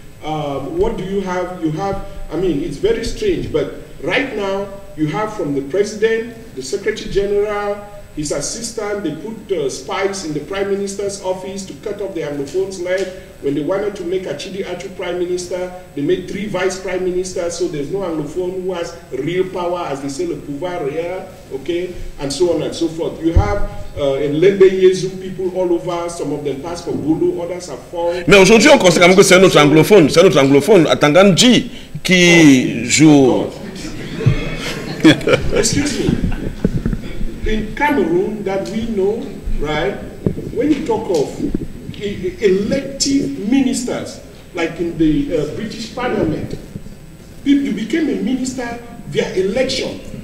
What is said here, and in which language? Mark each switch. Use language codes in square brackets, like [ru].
[en] What do you have? It's very strange, but right now you have from the president, the secretary general, his assistant, they put spies in the prime minister's office to cut off the Anglophone's leg. When they wanted to make Achidi Achu prime minister, they made 3 vice prime ministers, so there's no Anglophone who has real power, as they say, [fr] le pouvoir réel, [en] okay, and so on and so forth. You have in Lembe Yezu people all over, some of them passed for Bulu, others have fallen. [fr] Mais aujourd'hui, on considère que c'est notre Anglophone, Atanganji, qui joue. [en] Excuse me. In Cameroon that we know, right, when you talk of elected ministers, like in the British Parliament, you became a minister via election.